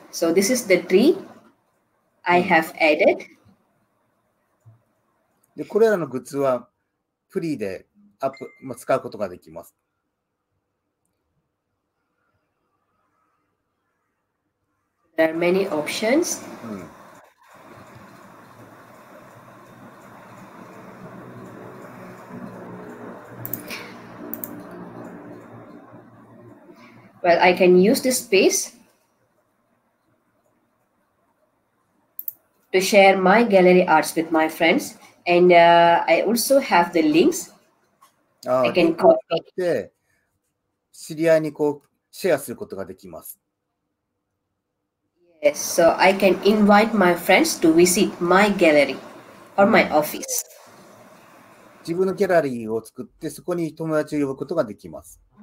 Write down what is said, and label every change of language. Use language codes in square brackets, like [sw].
[en] So this is the tree I have added. [ja] で、これらのグッズはフリーでアップ、まあ、使うことができます。 [en] There are many options. Well, I can use this space to share my gallery arts with my friends, and I also have the links. I can copy. [ja] 知り合いにこうシェアすることができます。 [en] Yes, so I can invite my friends to visit my gallery or my office. [ja] 自分のギャラリーを作ってそこに友達を呼ぶことができます。